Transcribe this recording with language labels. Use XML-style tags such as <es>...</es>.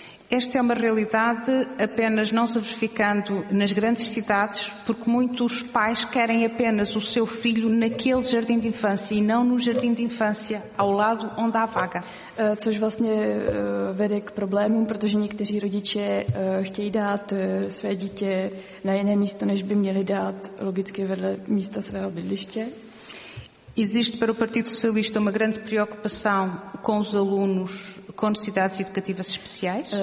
<pt>Esta é uma realidade apenas não se verificando nas grandes cidades, porque muitos pais querem apenas o seu filho naquele jardim de infância e não no jardim de infância, ao lado onde há vaga.</pt> <cs>Což vlastně vede k problémům, protože někteří rodiče chtějí dát své dítě na jiné místo, než by měli dát logicky vedle místa svého bydliště.</cs> <pt>Existe para o Partido Socialista uma grande preocupação com os alunos com necessidades educativas especiais?</pt>